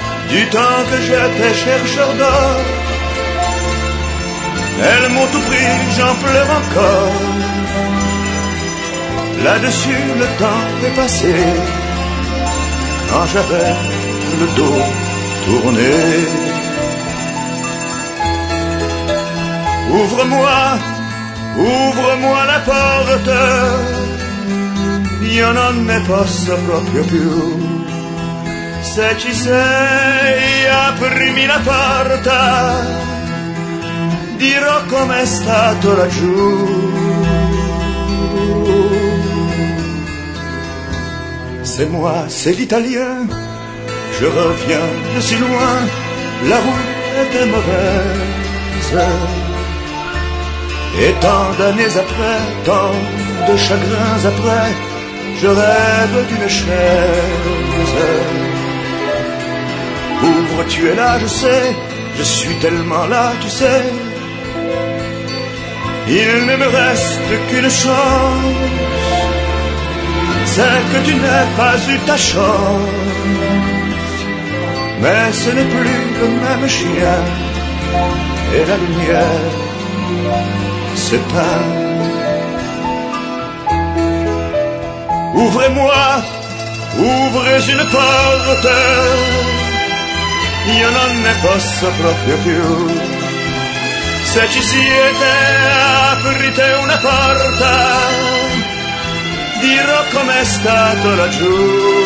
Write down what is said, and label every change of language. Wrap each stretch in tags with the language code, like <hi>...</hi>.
<fr>Du temps que j'étais chercheur d'or, elles m'ont tout pris, j'en pleure encore. Là-dessus, le temps est passé, quand j'avais le dos tourné. Ouvre-moi, ouvre-moi la porte,</fr> <it>io non ne posso proprio più. Se ci sei, aprimi la porta, dirò com'è stato laggiù.</it> <fr>C'est moi, c'est l'italien, je reviens de si loin, la route était mauvaise. Et tant d'années après, tant de chagrins après, je rêve d'une chaise. Ouvre, tu es là, je sais, je suis tellement là, tu sais. Il ne me reste qu'une chance, c'est que tu n'as pas eu ta chance. Mais ce n'est plus le même chien, et la lumière s'éteint. Ouvrez-moi, ouvrez une porte,</fr> <it>io non ne posso proprio più. Se ci siete, aprite una porta, dirò com'è stato laggiù.</it>